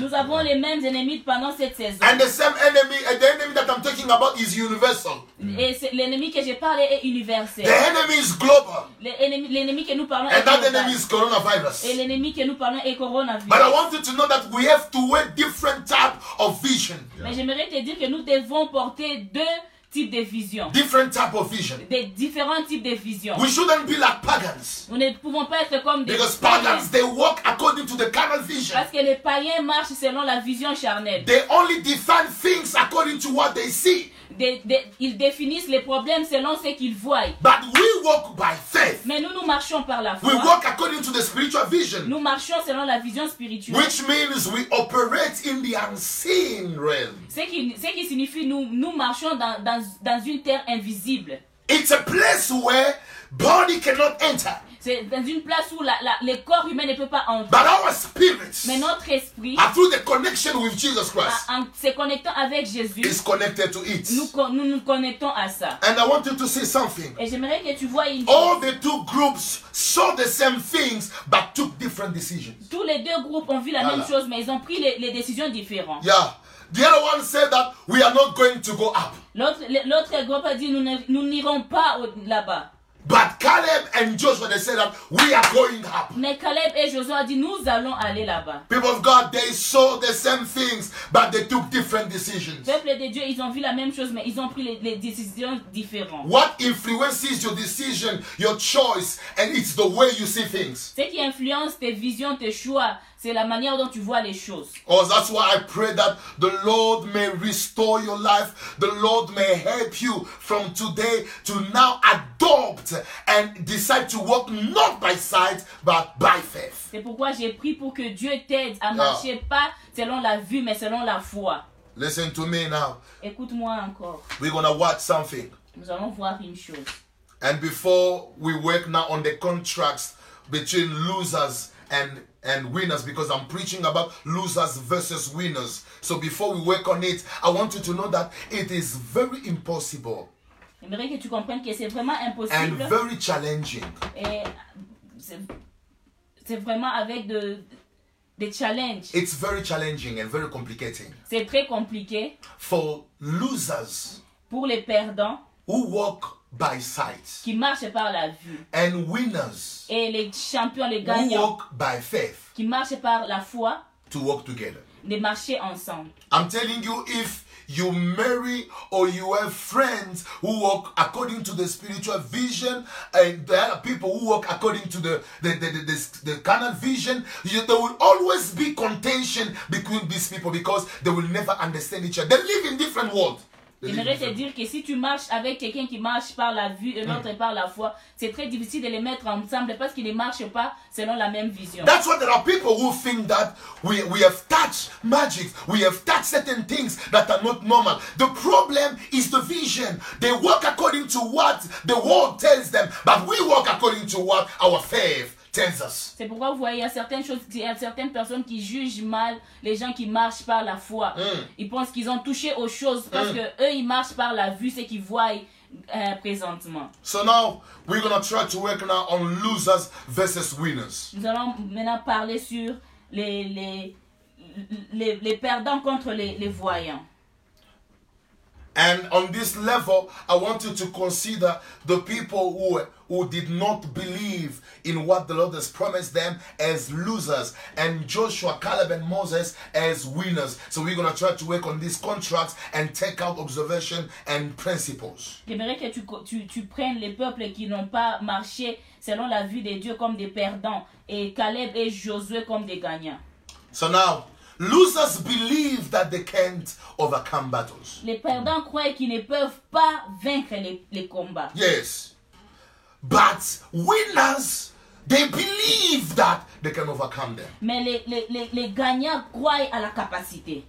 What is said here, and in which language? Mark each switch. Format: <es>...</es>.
<fr>Nous avons les mêmes ennemis pendant cette saison.</fr> <en>And the same enemy, the enemy that I'm talking about is universal.</en> <fr>Et l'ennemi que j'ai parlé est universel.</fr> <en>The enemy is global.</en> <fr>L'ennemi que nous parlons est global.</fr> <en>And that enemy is coronavirus.</en> <fr>Et l'ennemi que nous parlons est coronavirus.</fr> <en>But I want you to know that we have to wait different type of vision. Yeah.</en> <fr>Mais j'aimerais te dire que nous devons porter deux types de visions.</fr> <en>Different type of vision.</en> <fr>Des différents types de visions.</fr> <en>We shouldn't be like pagans.</en> <fr>Nous ne pouvons pas être comme des</fr> <en>because pagans, they walk according to the carnal vision.</en> <fr>Parce que les païens marchent selon la vision charnelle.</fr> <en>They only define things according to what they see.</en> <fr>Ils définissent les problèmes selon ce qu'ils voient.</fr> <en>But we walk by faith.</en> <fr>Mais nous marchons par la foi.</fr> <en>We walk according to the spiritual vision.</en> <fr>Nous marchons selon la vision spirituelle.</fr> <en>Which means we operate in the unseen realm.</en> <fr>Ce qui signifie nous marchons dans une terre invisible.</fr> <en>It's a place where body cannot enter.</en> <fr>C'est dans une place où le corps humain ne peut pas entrer.</fr> <en>But our spirit,</en> <fr>mais notre esprit,</fr> <en>through the connection with Jesus Christ,</en> <fr>en se connectant avec Jésus,</fr> <en>is connected to it.</en> <fr>Nous connectons à ça.</fr> <en>And I want you to see something.</en> <fr>Et j'aimerais que tu vois une chose.</fr> <en>All the two groups saw the same things but took different decisions.</en> <fr>Tous les deux groupes ont vu la même chose, mais ils ont pris les décisions différentes.</fr> <en>Yeah. The other one said that we are not going to go up.</en> <fr>L'autre groupe a dit nous n'irons pas là-bas.</fr> <en>But Caleb and Joshua, they said that we are going up.</en> <fr>Mais Caleb et Joshua ont dit nous allons aller là-bas.</fr> <en>People of God, they saw the same things, but they took different decisions.</en> <fr>Peuple de Dieu, ils ont vu la même chose, mais ils ont pris les décisions différentes.</fr> <en>What influences your decision, your choice, and it's the way you see things.</en> <fr>Ce qui influence tes visions, tes choix, c'est la manière dont tu vois les choses.</fr> <en>Oh, that's why I pray that the Lord may restore your life. The Lord may help you from today to now adopt and decide to walk not by sight, but by faith.</en> <fr>C'est pourquoi j'ai prié pour que Dieu t'aide à marcher pas selon la vue, mais selon la foi.</fr> <en>Listen to me now.</en> <fr>Écoute-moi encore.</fr> <en>We're going to watch something.</en> <fr>Nous allons voir une chose.</fr> <en>And before we work now on the contracts between losers and winners, because I'm preaching about losers versus winners. So before we work on it, I want you to know that it is very impossible.</en> <fr>J'aimerais que tu comprennes que c'est vraiment impossible.</fr> <en>And very challenging.</en> <fr>Et c'est vraiment avec de challenge.</fr> <en>It's very challenging and very complicating.</en> <fr>C'est très compliqué.</fr> <en>For losers.</en> <fr>Pour les perdants.</fr> <en>Who walk by sight.</en> <fr>Qui marche par la vue.</fr> <en>And winners.</en> <fr>Et les champions, les gagnants.</fr> <en>Who walk by faith.</en> <fr>Qui marche par la foi.</fr> <en>To walk together.</en> <fr>De marcher ensemble.</fr> <en>I'm telling you, if you marry or you have friends who walk according to the spiritual vision, and there are people who walk according to the carnal vision, there will always be contention between these people because they will never understand each other. They live in different worlds.</en> <fr>J'aimerais te dire que si tu marches avec quelqu'un qui marche par la vue et l'autre par la foi, c'est très difficile de les mettre ensemble parce qu'ils ne marchent pas selon la même vision.</fr> <en>That's why there are people who think that we have touched magic, we have touched certain things that are not normal. The problem is the vision. They walk according to what the world tells them, but we walk according to what our faith tells us.</en> <fr>C'est pourquoi vous voyez, il y a certaines personnes qui jugent mal les gens qui marchent par la foi. Ils pensent qu'ils ont touché aux choses parce que eux ils marchent par la vue, ce qu'ils voient présentement.</fr> <en>So now we're gonna try to work now on losers versus winners.</en> <fr>Nous allons maintenant parler sur les perdants contre les voyants.</fr> <en>And on this level, I want you to consider the people who did not believe in what the Lord has promised them as losers, and Joshua, Caleb, and Moses as winners. So we're going to try to work on these contracts and take out observation and principles.</en> <fr>J'aimerais que tu prennes les peuples qui n'ont pas marché selon la vue de Dieu comme des perdants, et Caleb et Josué comme des gagnants.</fr> <en>So now, losers believe that they can't overcome battles.</en> <fr>Les perdants croient qu'ils ne peuvent pas vaincre les combats.</fr> <en>Yes. But winners, they believe that they can overcome them.</en> <fr>Mais les gagnants croient à la capacité.</fr>